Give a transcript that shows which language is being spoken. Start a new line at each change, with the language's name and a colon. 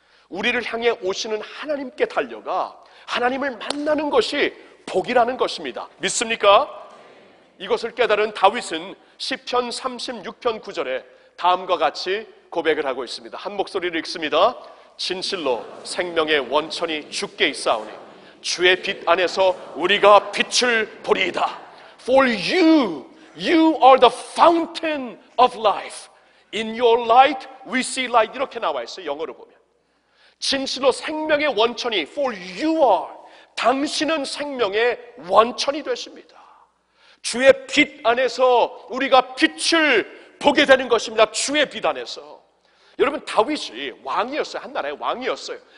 Korean: 우리를 향해 오시는 하나님께 달려가 하나님을 만나는 것이 복이라는 것입니다. 믿습니까? 이것을 깨달은 다윗은 시편 36편 9절에 다음과 같이 고백을 하고 있습니다. 한 목소리를 읽습니다. 진실로 생명의 원천이 주께 있사오니 주의 빛 안에서 우리가 빛을 보리이다.
English: For you, you are the fountain of life. In your light, we see light.
Korean: 이렇게 나와 있어요, 영어로 보면. 진실로 생명의 원천이,
English: for you are,
Korean: 당신은 생명의 원천이 되십니다. 주의 빛 안에서 우리가 빛을 보게 되는 것입니다. 주의 빛 안에서. 여러분, 다윗이 왕이었어요. 한나라의 왕이었어요.